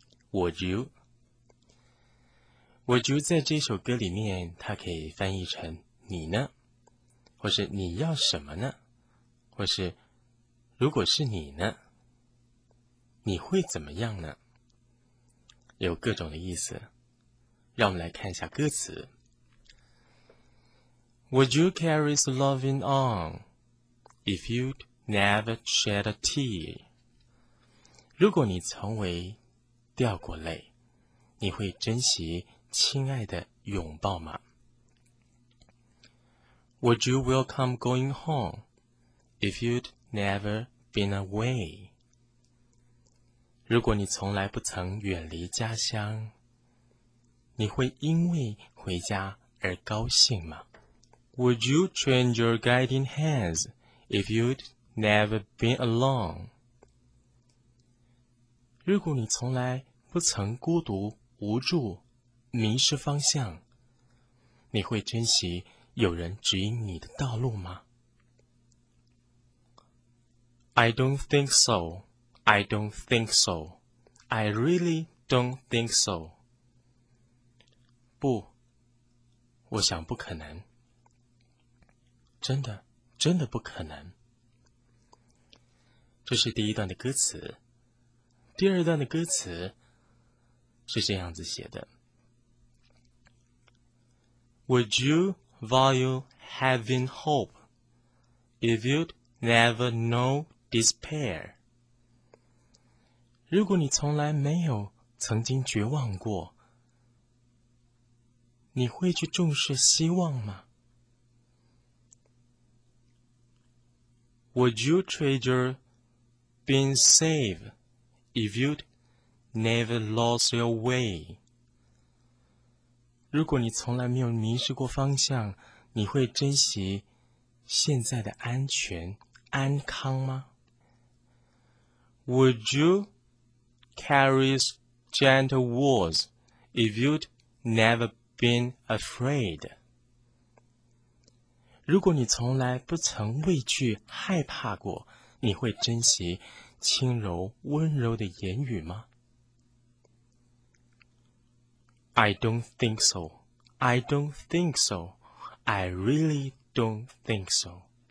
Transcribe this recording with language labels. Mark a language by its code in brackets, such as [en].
[en] Would you [zh] 在这首歌里面，它可以翻译成你呢，或是你要什么呢，或是如果是你呢，你会怎么样呢？有各种的意思，让我们来看一下歌词。 [en] Would you carry the loving on if you'd never shed a tear? [zh] 如果你从未掉过泪，你会珍惜亲爱的拥抱吗？ [en] Would you welcome going home if you'd never been away? [zh] 如果你从来不曾远离家乡，你会因为回家而高兴吗？ [en] Would you train your guiding hands if you'd never been alone? [zh] 如果你从来不曾孤独、无助、迷失方向，你会珍惜有人指引你的道路吗？ [en] I don't think so. I don't think so. I really don't think so. [zh] 不，我想不可能。真的，真的不可能。这是第一段的歌词。第二段的歌词是这样子写的。 [en] Would you value having hope if you'd never know despair? [zh] 如果你从来没有曾经绝望过，你会去重视希望吗？ [en] Would you treasure being safe if you'd never lost your way? [zh] 如果你从来没有迷失过方向，你会珍惜现在的安全、安康吗？ [en] Would youcarries gentle words if you'd never been afraid. [zh] 如果你从来不曾畏惧害怕过，你会珍惜轻柔温柔的言语吗？ [en] I don't think so. I don't think so. I really don't think so.